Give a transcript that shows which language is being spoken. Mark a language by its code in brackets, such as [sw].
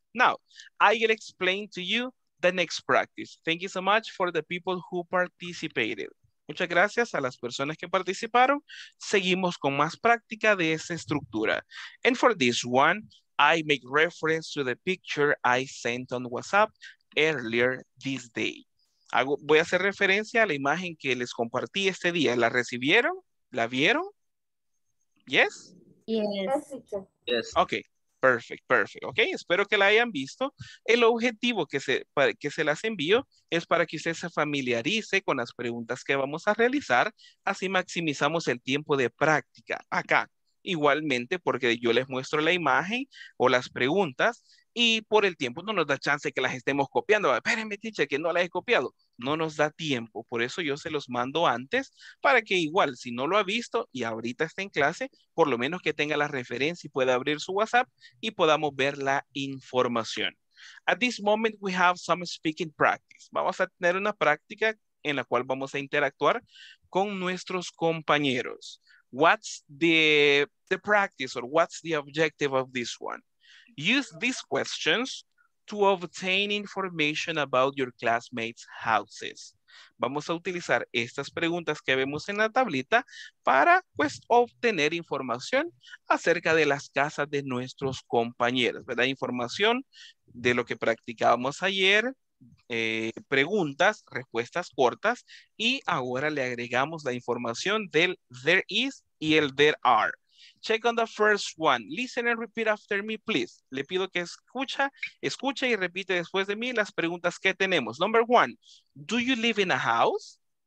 [en] Now, I will explain to you the next practice. Thank you so much for the people who participated. [es] Muchas gracias a las personas que participaron. Seguimos con más práctica de esa estructura. [en] And for this one, I make reference to the picture I sent on WhatsApp earlier this day. [es] Voy a hacer referencia a la imagen que les compartí este día. ¿La recibieron? ¿La vieron? [en] ¿Yes? Yes. Yes. Ok, perfect, perfect. Ok, [es] espero que la hayan visto. El objetivo que se las envío es para que usted se familiarice con las preguntas que vamos a realizar. Así maximizamos el tiempo de práctica acá. Igualmente, porque yo les muestro la imagen o las preguntas y por el tiempo no nos da chance que las estemos copiando. Espérenme, teacher, que no las he copiado. No nos da tiempo. Por eso yo se los mando antes para que igual, si no lo ha visto y ahorita está en clase, por lo menos que tenga la referencia y pueda abrir su WhatsApp y podamos ver la información. [en] At this moment, we have some speaking practice. [es] Vamos a tener una práctica en la cual vamos a interactuar con nuestros compañeros. [en] What's the practice or what's the objective of this one? Use these questions to obtain information about your classmates' houses. [es] Vamos a utilizar estas preguntas que vemos en la tablita para, pues, obtener información acerca de las casas de nuestros compañeros, ¿verdad? Información de lo que practicábamos ayer. Preguntas, respuestas cortas, y ahora le agregamos la información del there is y el there are. [en] Check on the first one. Listen and repeat after me, please. [es] Le pido que escuche y repite después de mí las preguntas que tenemos. [en] Number one, do you live in a house?